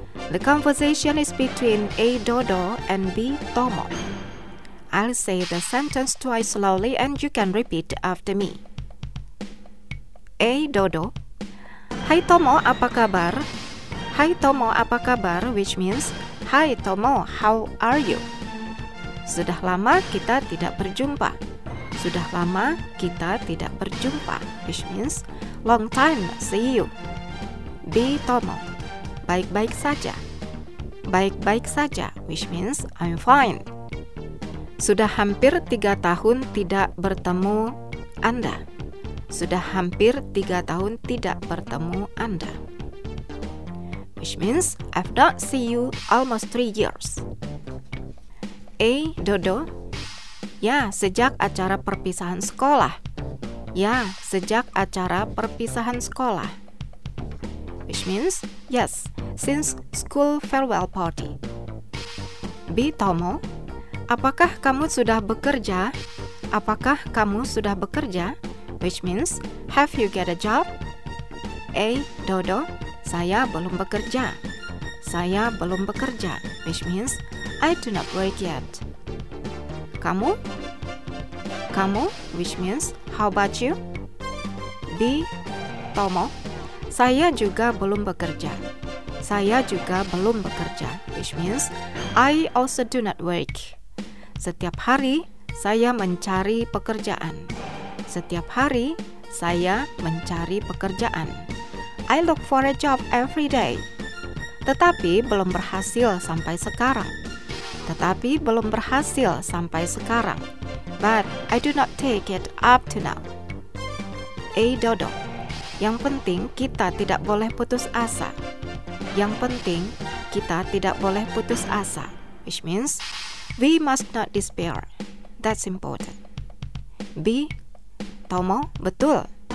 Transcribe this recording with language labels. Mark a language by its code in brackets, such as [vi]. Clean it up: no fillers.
[en] The conversation is between A. Dodo and B. Tomo. I'll say the sentence twice slowly and you can repeat after me. A. [id] Dodo: Hai Tomo, apa kabar? Hai Tomo, apa kabar? [en] Which means, Hai Tomo, how are you? [id] Sudah lama kita tidak berjumpa. Sudah lama kita tidak berjumpa, [en] which means long time see you. B. [id] Tomo: Baik-baik saja. Baik-baik saja, [en] which means I'm fine. [id] Sudah hampir 3 tahun tidak bertemu Anda. Sudah hampir 3 tahun tidak bertemu Anda, [en] which means I've not seen you almost 3 years. A. [id] Dodo: Ya, sejak acara perpisahan sekolah. Ya, sejak acara perpisahan sekolah. [en] Which means, yes, since school farewell party. B. [id] Tomo: Apakah kamu sudah bekerja? Apakah kamu sudah bekerja? [en] Which means, have you got a job? A. [id] Dodo: Saya belum bekerja. Saya belum bekerja. [en] Which means, I do not work yet. [id] Kamu? Kamu, [en] which means, how about you? B. [id] Tomo: Saya juga belum bekerja. Saya juga belum bekerja. [en] Which means, I also do not work. [id] Setiap hari, saya mencari pekerjaan. Setiap hari, saya mencari pekerjaan. [en] I look for a job every day. [id] Tetapi belum berhasil sampai sekarang. Tetapi belum berhasil sampai sekarang. [en] But I do not take it up to now. [id] A. Dodo: Yang penting kita tidak boleh putus asa. Yang penting kita tidak boleh putus asa, [en] which means we must not despair. That's important. B. Tomo: [id] Betul.